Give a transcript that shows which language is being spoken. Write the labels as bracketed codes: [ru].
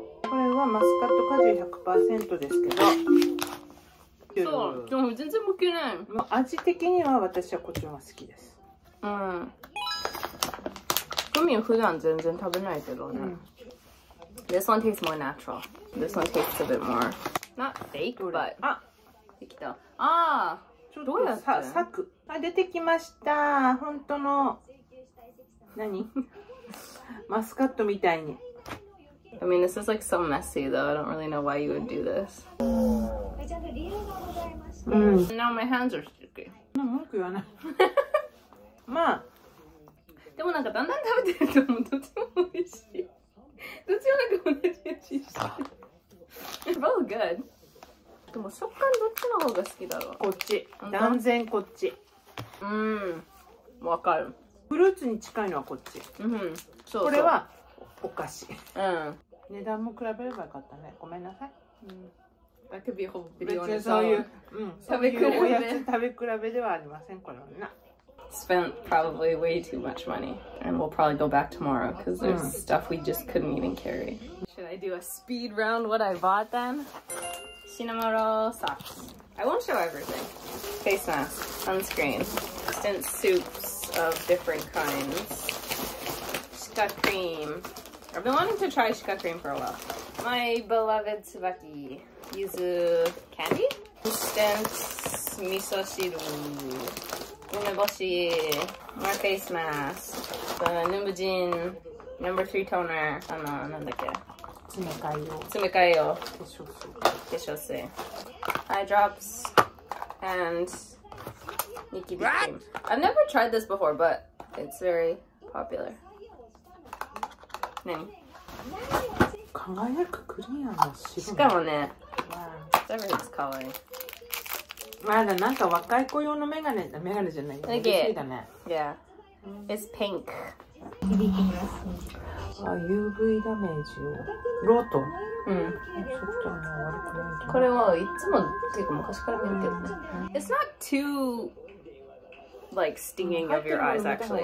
[ja] これはマスカット果汁 100% ですけど。そう、でも全然向けない。味的には私はこっちが好きです。うん。グミ普段全然食べないけどね。 [en] うん、This one tastes more natural. This one tastes a bit more not fake, but [ja] あ、できた。ああ、どうやって？サク。あ、出てきました。本当の何？マスカットみたいに。 [en] I mean, this is like so messy, though. I don't really know why you would do this. [ja] うん。 [en] Now my hands are sticky. [ja] なんか文句言わない。まあ。でもなんかだんだん食べてるともうどっちも美味しい。どっちもなんか同じ味して。 [en] It's both good. [ja] でも食感どっちの方が好きだろう。こっち。断然こっち。うん。わかる。フルーツに近いのはこっち。うん。そう。これはお菓子。うん。値段も比べればよかったね。ごめんなさい。 [en] うん。That could be a whole video. [ja] めっちゃそういう、うん、食べ比べ。そういうおやつ食べ比べではありません、これはな。 [en] Spent probably way too much money, and we'll probably go back tomorrow because there's stuff we just couldn't even carry. Should I do a speed round what I bought then? Cinnamon roll socks. I won't show everything. Face mask, sunscreen, instant soups of different kinds, shika cream. I've been wanting to try shika cream for a while. My beloved tsubaki, yuzu candy, instant miso shiru. [ja] 梅干し、マーフェイスマスク、ヌムジン、ナンバー3トーナー、あの、なんだっけ、詰め替え用、化粧水、アイドロップス、and ニキビクリーム。 [en] I've never tried this before, but it's very popular. [ja] 何？輝くクリアの白。しかもね、 [en] whatever it's called [ja] まだなんか若い子用のメガネ、メガネじゃないよ。嬉しいだね。 [en] Yeah. It's pink. [ja] あ、UV ダメージを。ロート。うん。ちょっとね、悪くない。これはいつも、ていうか昔から見るけどね。 [en] It's not too, like, stinging of your eyes, actually.